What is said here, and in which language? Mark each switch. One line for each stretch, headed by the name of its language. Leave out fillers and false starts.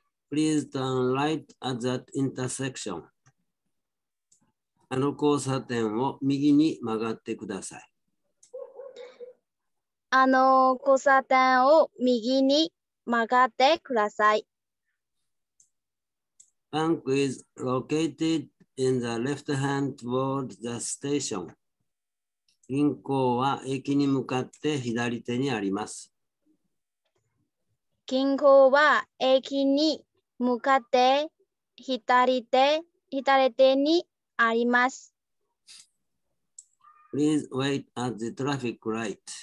English: Please turn right at that intersection.
Japanese: あの交差点を右に曲がってください。あの交差点を右に曲がってください。
English: Bank is located in the left hand towards the station.
Japanese: 銀行は駅に向かって左手にあります。銀行は駅に向かって左手にあります。
English: Please wait at the traffic light.